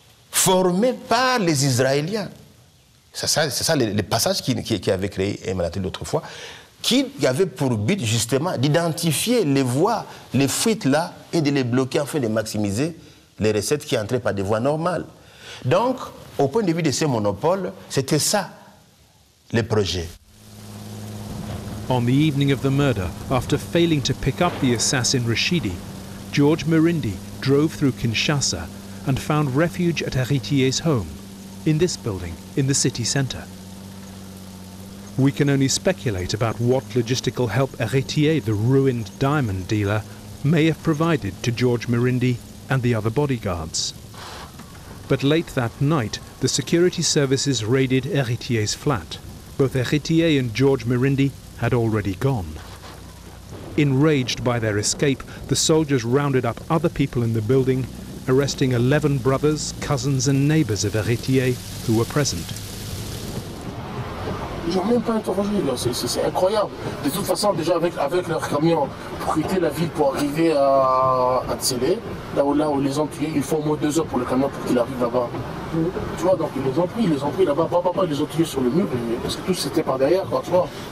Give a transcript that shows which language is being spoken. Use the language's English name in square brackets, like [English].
[French] formé par les Israéliens. C'est ça le passage qui avait créé Emmanuel l'autre fois, qui avait pour but justement d'identifier les voies, les fuites là, et de les bloquer afin de maximiser les recettes qui entraient par des voies normales. Donc, au point de vue de ces monopoles, c'était ça le projet. [English] On the evening of the murder, after failing to pick up the assassin Rashidi, George Merindi drove through Kinshasa and found refuge at Héritier's home, in this building, in the city center. We can only speculate about what logistical help Héritier, the ruined diamond dealer, may have provided to George Merindi and the other bodyguards. But late that night, the security services raided Héritier's flat. Both Héritier and George Merindi had already gone. Enraged by their escape, the soldiers rounded up other people in the building, arresting 11 brothers, cousins and neighbors of Héritier who were present. [French] J'en ai même pas interrogé, là. C'est incroyable. De toute façon, déjà avec leur camion, pour quitter la ville, pour arriver à Tselé, là où les ont tués, il faut au moins 2 heures pour le camion pour qu'il arrive là-bas. Tu vois, donc ils les ont pris là-bas, ils les ont tués sur le mur, parce que tout c'était par derrière, quoi, tu vois.